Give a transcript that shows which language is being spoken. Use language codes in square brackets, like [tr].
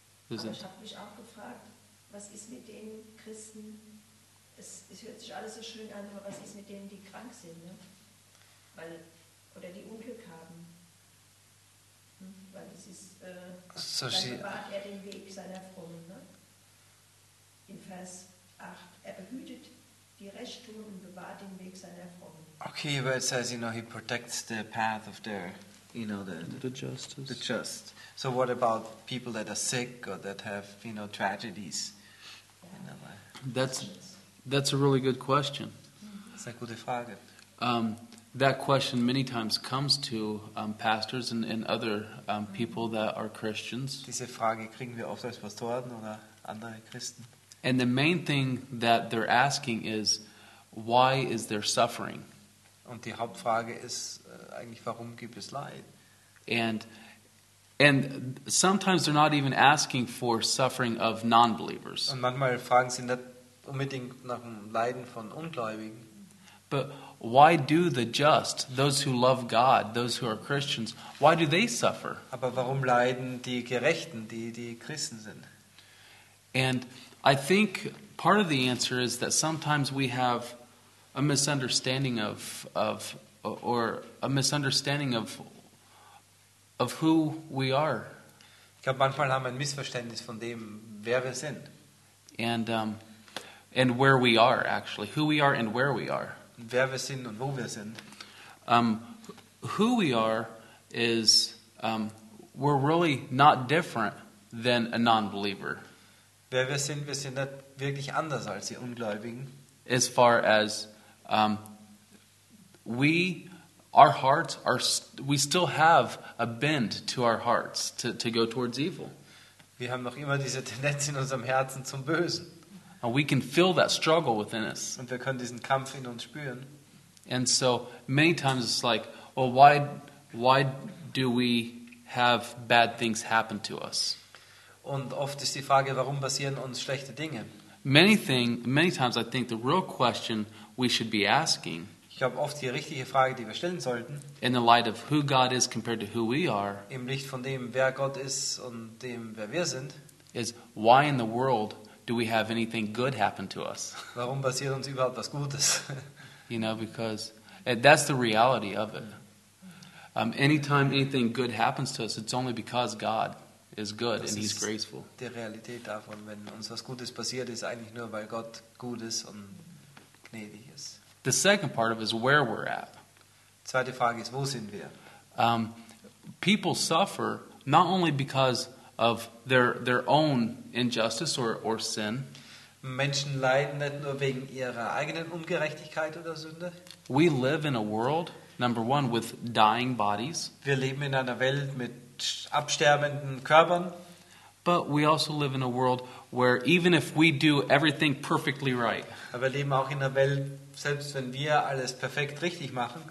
[de] Aber ich habe mich auch gefragt, was ist mit den Christen, es hört sich alles so schön an, aber was ist mit denen, die krank sind? Ne? Weil oder die Unglück haben. Weil es ist, so dann bewahrt er den Weg seiner Frommen. Ne? In Vers 8, er behütet die Rechtstuhl und bewahrt den Weg seiner Frommen. [en] Okay, but it says, you know, he protects the path of their, you know, the justice. The just. So what about people that are sick or that have, you know, tragedies? That's a really good question. [de] Das ist eine gute Frage. [en] That question many times comes to pastors and other people that are Christians. [de] Diese Frage kriegen wir oft als Pastoren oder andere Christen. [en] And the main thing that they're asking is, why is there suffering? [de] Und die Hauptfrage ist eigentlich, warum gibt es Leid? [en] And sometimes they're not even asking for suffering of non-believers. [de] Und manchmal fragen sie nicht unbedingt nach dem Leiden von Ungläubigen. [en] But why do the just, those who love God, those who are Christians, why do they suffer? [de] Aber warum leiden die Gerechten, die Christen sind? [en] And I think part of the answer is that sometimes we have a misunderstanding of who we are. [de] Ich glaube, manchmal haben wir ein Missverständnis von dem, wer wir sind. [en] And where we are, actually. Who we are and where we are. [de] Wer wir sind und wo wir sind. [en] Who we are is, we're really not different than a non-believer. [de] Wer wir sind nicht wirklich anders als die Ungläubigen. [en] As far as our hearts are, we still have a bend to our hearts to go towards evil. [de] Wir haben noch immer diese Tendenz in unserem Herzen zum Bösen. [en] And we can feel that struggle within us. [de] Und wir können diesen Kampf in uns spüren. [en] And so many times it's like, well, why do we have bad things happen to us? [de] Und oft ist die Frage, warum passieren uns schlechte Dinge? [en] Many times I think the real question we should be asking, [de] ich glaube, oft die richtige Frage, die wir stellen sollten, [en] in the light of who God is compared to who we are, [de] im Licht von dem, wer Gott ist und dem, wer wir sind, [en] is why in the world do we have anything good happen to us? [de] Warum passiert uns überhaupt was Gutes? [en] You know, because that's the reality of it. Anytime anything good happens to us, it's only because God is good and he's graceful. [de] Die Realität davon, wenn uns was Gutes passiert, ist eigentlich nur, weil Gott gut ist und gnädig ist. [en] The second part of it is where we're at. [de] Zweite Frage ist, wo sind wir? [en] People suffer not only because of their own injustice or sin. [de] Menschen leiden nicht nur wegen ihrer eigenen Ungerechtigkeit oder Sünde. [en] We live in a world, number one, with dying bodies. [de] Wir leben in einer Welt mit absterbenden Körpern. [en] But we also live in a world where even if we do everything perfectly right, [de] aber wir leben auch in einer Welt, selbst wenn wir alles perfekt richtig machen,